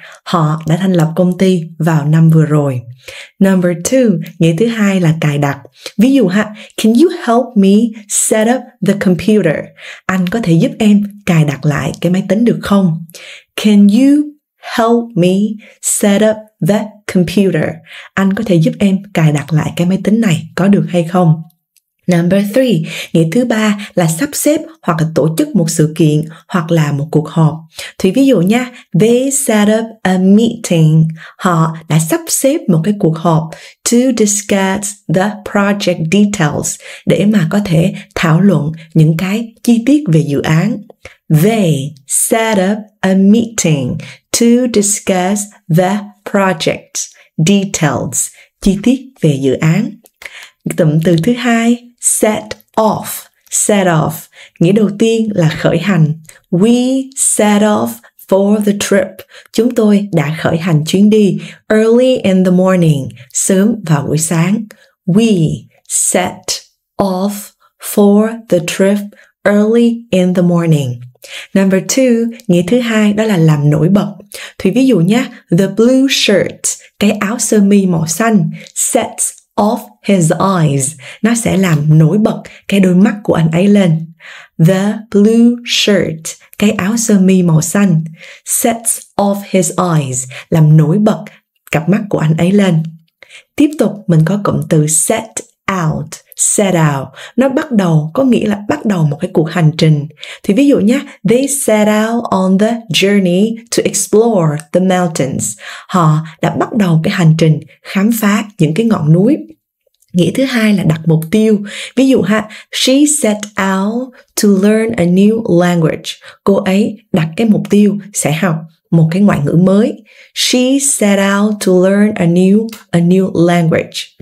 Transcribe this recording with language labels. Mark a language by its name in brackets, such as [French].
[Vietnamese] Họ đã thành lập công ty vào năm vừa rồi. [English] Number two, [Vietnamese] nghĩa thứ hai là cài đặt. Ví dụ ha, [English] can you help me set up the computer? [Vietnamese] Anh có thể giúp em cài đặt lại cái máy tính được không? [English] Can you help me set up the computer? [Vietnamese] Anh có thể giúp em cài đặt lại cái máy tính này có được hay không? [English] Number three, [Vietnamese] nghĩa thứ ba là sắp xếp hoặc là tổ chức một sự kiện hoặc là một cuộc họp. Thì ví dụ nha, [English] they set up a meeting. [Vietnamese] Họ đã sắp xếp một cái cuộc họp [English] to discuss the project details [Vietnamese] để mà có thể thảo luận những cái chi tiết về dự án. [English] They set up a meeting to discuss the project details, [Vietnamese] chi tiết về dự án. Cụm từ thứ hai, set off, nghĩa đầu tiên là khởi hành. [English] We set off for the trip. [Vietnamese] Chúng tôi đã khởi hành chuyến đi [English] early in the morning, [Vietnamese] sớm vào buổi sáng. [English] We set off for the trip early in the morning. Number two, [Vietnamese] nghĩa thứ hai đó là làm nổi bật. Thì ví dụ nhé, [English] the blue shirt, [Vietnamese] cái áo sơ mi màu xanh, [English] sets off his eyes. [Vietnamese] Nó sẽ làm nổi bật cái đôi mắt của anh ấy lên. [English] The blue shirt, [Vietnamese] cái áo sơ mi màu xanh, [English] sets off his eyes, [Vietnamese] làm nổi bật cặp mắt của anh ấy lên. Tiếp tục, mình có cụm từ set out. Set out, nó bắt đầu, có nghĩa là bắt đầu một cái cuộc hành trình. Thì ví dụ nhé, [English] they set out on the journey to explore the mountains. [Vietnamese] Họ đã bắt đầu cái hành trình khám phá những cái ngọn núi. Nghĩa thứ hai là đặt mục tiêu. Ví dụ ha, [English] she set out to learn a new language. [Vietnamese] Cô ấy đặt cái mục tiêu sẽ học một cái ngoại ngữ mới. [English] She set out to learn a new language.